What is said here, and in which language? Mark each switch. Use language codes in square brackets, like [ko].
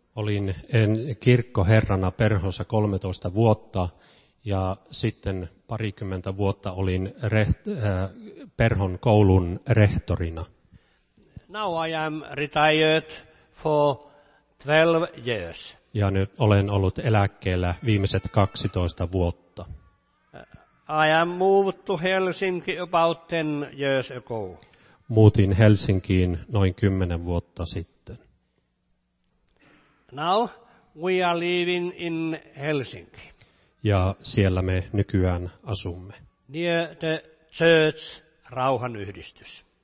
[fi] Olin kirkkoherrana Perhossa 13 vuotta ja sitten parikymmentä vuotta olin Perhon koulun rehtorina. [en] Now I am retired for 12 years. [fi] Ja nyt olen ollut eläkkeellä viimeiset 12 vuotta. [en] I am moved to Helsinki about 10 years ago. [fi] Muutin Helsinkiin noin 10 vuotta sitten. [en] Now we are living in Helsinki. [fi] Ja siellä me nykyään asumme. [en] Near the church, rauhanyhdistys.